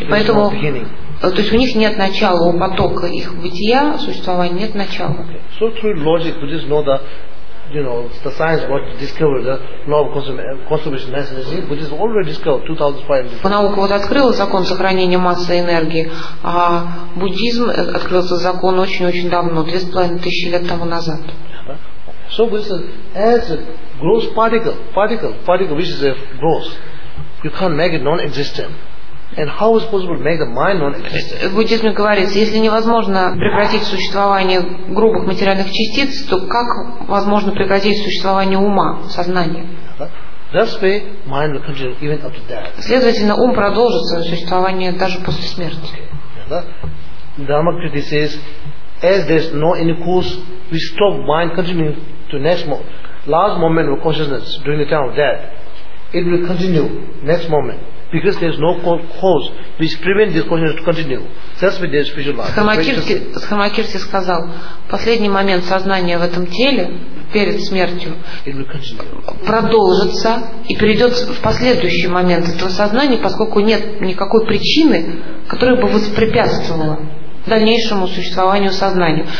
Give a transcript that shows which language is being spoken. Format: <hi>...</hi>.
<ru>Поэтому, то есть у них нет начала, у потока их бытия, существования нет начала.</ru> <en>So through logic, we just know that. You know, the science what discovered the law of conservation of energy, which is already discovered 2005.</en> <ru>По науке вот открыла закон сохранения массы энергии, а буддизм открылся закон очень-очень давно, 2500 лет тому назад.</ru> <en>So this is as a gross particle, which is a gross, you can't make it non-existent. And how is possible to make the mind non-existent?</en> <ru>В буддизме говорится, если невозможно прекратить существование грубых материальных частиц, то как возможно прекратить существование ума, сознания?</ru> <en>That's why mind will continue even after death.</en> <ru>Следовательно, ум продолжит свое существование даже после смерти.</ru> <en>Dhammakriti says, as there's no any cause, we stop mind continuing to next moment. Last moment of consciousness during the time of death, it will continue next moment. Because there is no cause which prevents this consciousness to continue. That's why there is spiritual life.</en> <ru>Схармакирти сказал, последний момент сознания в этом теле перед смертью продолжится и перейдет в последующий момент этого сознания, поскольку нет никакой причины, которая бы воспрепятствовала дальнейшему существованию сознания.</ru>